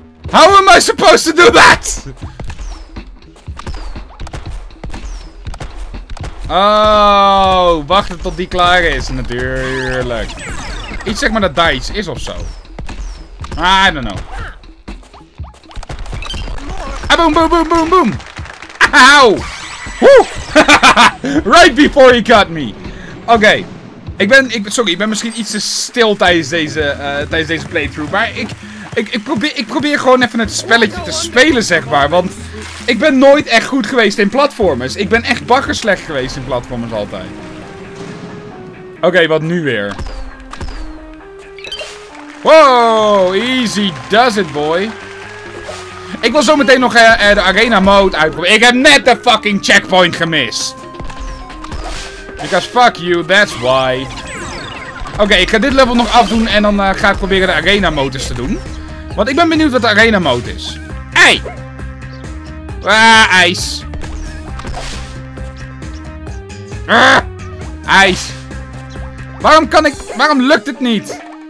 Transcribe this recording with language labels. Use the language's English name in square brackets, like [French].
[English] How am I supposed to do that? [Dutch] Oh, wachten tot die klaar is, natuurlijk. Iets zeg maar dat daar iets is ofzo. [English] I don't know. Boom, boom, boom, boom, boom. Ow. Woo. Right before he got me. Oké. [Dutch] Ik ben misschien iets te stil tijdens deze playthrough. Maar ik probeer gewoon even het spelletje te spelen, zeg maar. Want ik ben nooit echt goed geweest in platformers. Ik ben echt bagger slecht geweest in platformers altijd. Oké, wat nu weer? [English] Wow, easy does it, boy. [Dutch] Ik wil zometeen nog de arena mode uitproberen. Ik heb net de fucking checkpoint gemist. [English] Because fuck you, that's why. [Dutch] Oké, ik ga dit level nog afdoen en dan ga ik proberen de arena modes te doen. Want ik ben benieuwd wat de arena mode is. Hey! IJs. IJs. Waarom lukt het niet?